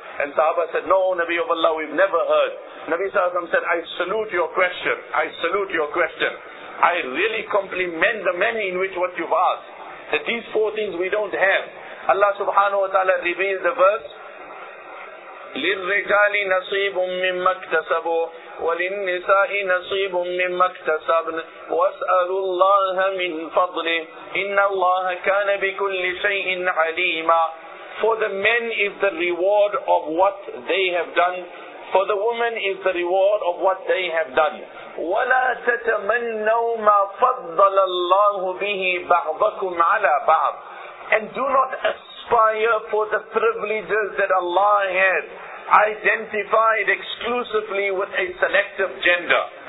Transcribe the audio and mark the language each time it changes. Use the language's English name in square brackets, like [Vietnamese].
[English] And Sahaba said, no, Nabi of Allah, we've never heard. Nabi Sallallahu Alaihi Wasallam said, I salute your question. I salute your question. I really compliment the manner in which what you've asked. That these 4 things we don't have. Allah subhanahu wa ta'ala revealed the verse, [Arabic] لِلْرِجَالِ نَصِيبٌ مِّمَّا اكْتَسَبُوا وللنساء نصيب مما اكتسبن واسألوا الله من فضله إن الله كان بكل شيء عليما. [English] For the men is the reward of what they have done. For the women is the reward of what they have done. [Arabic] وَلَا تَتَمَنَّوْا مَا فَضَّلَ اللَّهُ بِهِ بَعْضَكُمْ عَلَى بَعْضٍ. [English] And do not aspire for the privileges that Allah has identified exclusively with a selective gender.